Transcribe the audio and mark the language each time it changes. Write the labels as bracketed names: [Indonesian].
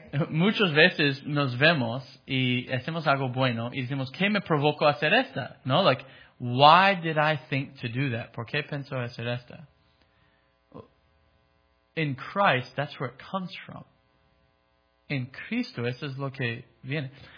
[Spanish] muchas veces nos vemos y hacemos algo bueno y decimos, ¿qué me provocó a hacer esta? [English] No, like... Why did I think to do that? [Spanish] ¿Por qué pensó hacer esto? [English] In Christ, that's where it comes from. In [Spanish] Cristo, eso es lo que viene.